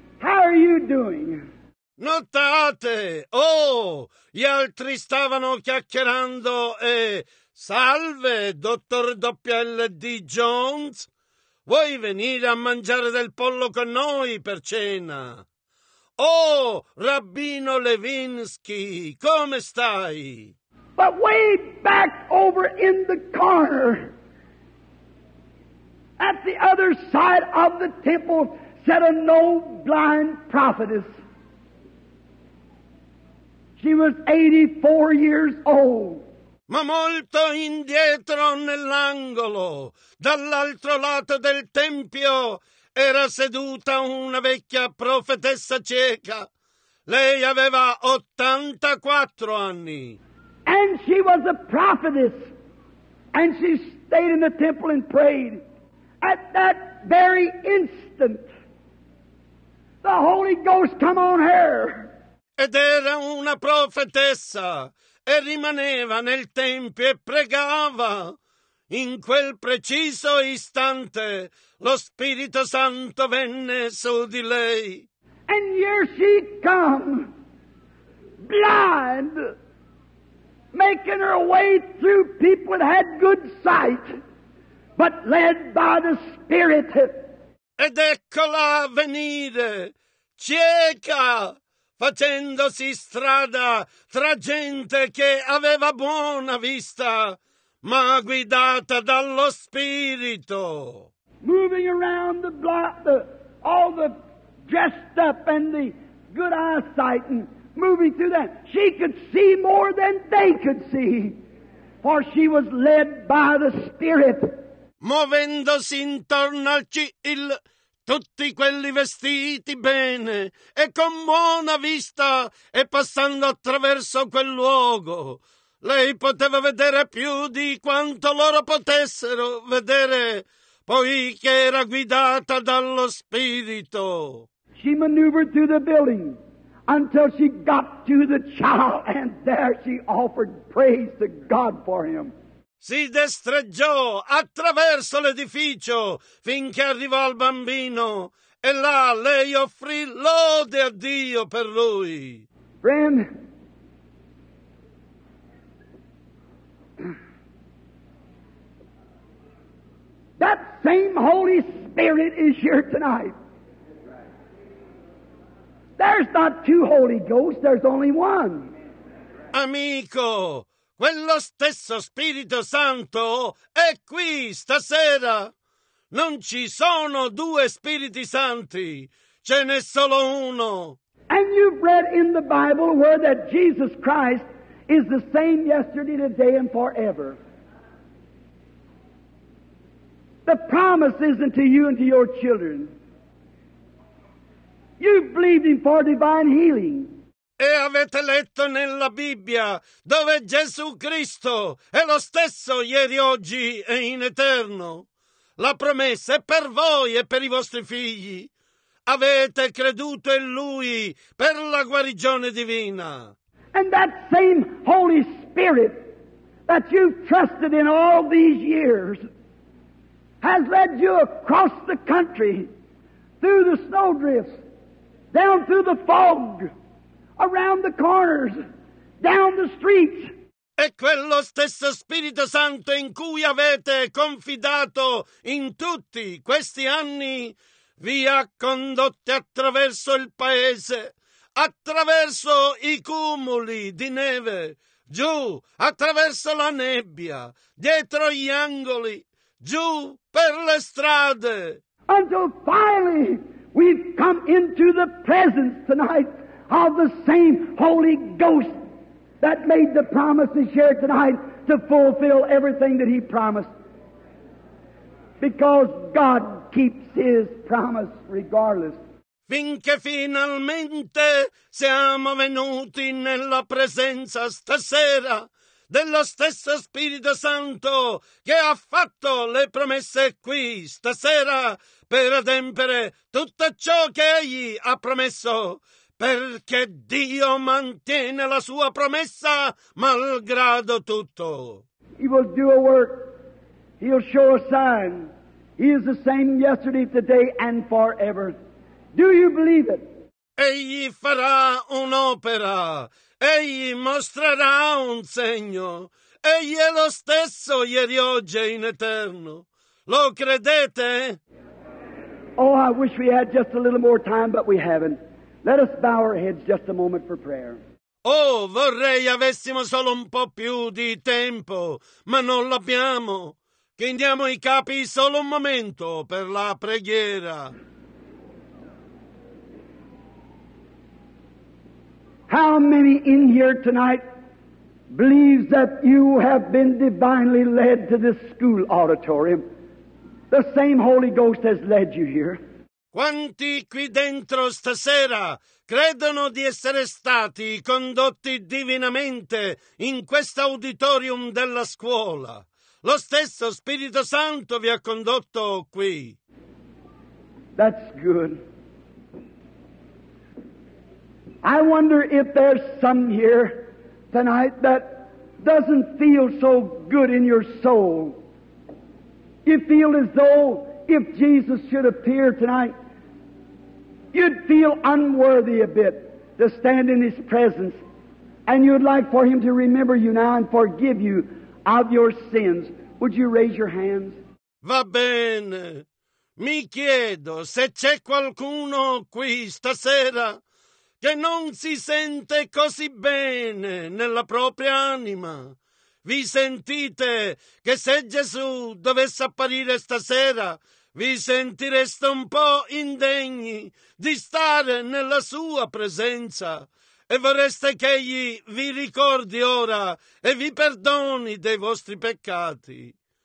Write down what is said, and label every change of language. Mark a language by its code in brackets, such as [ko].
[en] How are you doing? [it] Notate! Oh, gli altri stavano chiacchierando e... Salve, dottor WD Jones! Vuoi venire a mangiare del pollo con noi per cena? Oh, rabbino Levinsky, come stai? [en] But way back over in the corner, at the other side of the temple, sat a no blind prophetess. She was 84 years old. [it] Ma molto indietro nell'angolo, dall'altro lato del tempio, era seduta una vecchia profetessa cieca. Lei aveva 84 anni. [en] And she was a prophetess, and she stayed in the temple and prayed. At that very instant, the Holy Ghost come on her. [it] Ed era una profetessa, e rimaneva nel tempio e pregava. In quel preciso istante, lo Spirito Santo venne su di lei. [en] And here she come, blind, making her way through people that had good sight, but led by the Spirit. [it] Ed eccola venire, cieca, facendosi strada tra gente che aveva buona vista, ma guidata dallo Spirito. [en] Moving around the block, all the dressed up and the good eyesight and moving through that, she could see more than they could see, for she was led by the Spirit. [it] Muovendosi intorno al CIL, tutti quelli vestiti bene e con buona vista e passando attraverso quel luogo, lei poteva vedere più di quanto loro potessero vedere, poiché era guidata dallo Spirito. [en] She maneuvered through the building until she got to the child, and there she offered praise to God for him. [it] Si destreggiò attraverso l'edificio finché arrivò al bambino, e là lei offrì lode a Dio per lui. [en] Friend, that same Holy Spirit is here tonight. There's not two Holy Ghosts, there's only one. [it] Amico, quello stesso Spirito Santo è qui stasera. Non ci sono due Spiriti Santi, ce n'è solo uno. [en] And you've read in the Bible where that Jesus Christ is the same yesterday, today, and forever. The promise isn't to you and to your children. You believed him for divine healing. [it] E avete letto nella Bibbia dove Gesù Cristo è lo stesso ieri, oggi e in eterno. La promessa è per voi e per i vostri figli. Avete creduto in lui per la guarigione divina. [en] And that same Holy Spirit that you've trusted in all these years has led you across the country through the snowdrifts, down through the fog, around the corners, down the streets. [it] E quello stesso Spirito Santo in cui avete confidato in tutti questi anni vi ha condotti attraverso il paese, attraverso i cumuli di neve, giù, attraverso la nebbia, dietro gli angoli, giù per le strade. [en] Until finally we've come into the presence tonight of the same Holy Ghost that made the promise to share tonight to fulfill everything that he promised. Because God keeps his promise regardless. [it] Finché finalmente siamo venuti nella presenza stasera dello stesso Spirito Santo che ha fatto le promesse qui stasera per adempiere tutto ciò che egli ha promesso, perché Dio mantiene la sua promessa malgrado tutto. [en] He will do a work. He'll show a sign. He is the same yesterday, today, and forever. Do you believe it? [it] egli farà un'opera, egli mostrerà un segno, egli è lo stesso ieri, oggi e in eterno. Lo credete? [en] Oh, I wish we had just a little more time, but we haven't. Let us bow our heads just a moment for prayer. [it] Oh, vorrei avessimo solo un po' più di tempo, ma non l'abbiamo. Chiniamo i capi solo un momento per la preghiera. [en] How many in here tonight believes that you have been divinely led to this school auditorium? The same Holy Ghost has led you here. [it] Quanti qui dentro stasera credono di essere stati condotti divinamente in questo auditorium della scuola? Lo stesso Spirito Santo vi ha condotto qui. [en] That's good. I wonder if there's some here tonight that doesn't feel so good in your soul. You feel as though if Jesus should appear tonight, you'd feel unworthy a bit to stand in His presence, and you'd like for Him to remember you now and forgive you of your sins. Would you raise your hands? [it] Va bene. Mi chiedo se c'è qualcuno qui stasera che non si sente così bene nella propria anima. Vi sentite che se Gesù dovesse apparire stasera, vi sentireste un po' indegni di stare nella sua presenza e vorreste che egli vi ricordi ora e vi perdoni dei vostri peccati?